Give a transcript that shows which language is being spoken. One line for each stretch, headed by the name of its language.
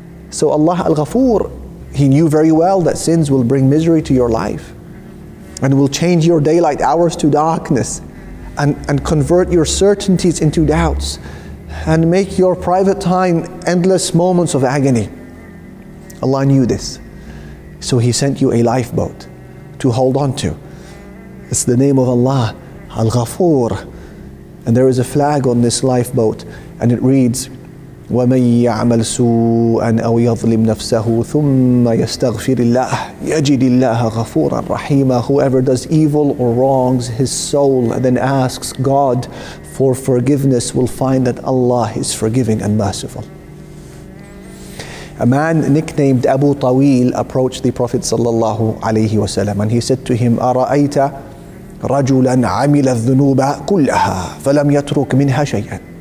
English: So Allah Al-Ghafoor, he knew very well that sins will bring misery to your life and will change your daylight hours to darkness and convert your certainties into doubts and make your private time endless moments of agony. Allah knew this. So He sent you a lifeboat to hold on to. It's the name of Allah, Al-Ghafoor. And there is a flag on this lifeboat, and it reads,
Arabic: وَمَنْ يَعْمَلْ سُوءًا أَوْ يَظْلِمْ نَفْسَهُ ثُمَّ يَسْتَغْفِرِ اللَّهِ يَجِدِ اللَّهَ غَفُورًا رَحِيمًا.
English: Whoever does evil or wrongs his soul and then asks God for forgiveness will find that Allah is forgiving and merciful. A man nicknamed Abu Tawil approached the Prophet sallallahu alayhi wa sallam, and he said to him,
Arabic: أَرَأَيْتَ رَجُلًا عَمِلَ الذُّنُوبَ كُلَّهَا فَلَمْ يَتْرُكْ مِنْهَا شَيْئًا.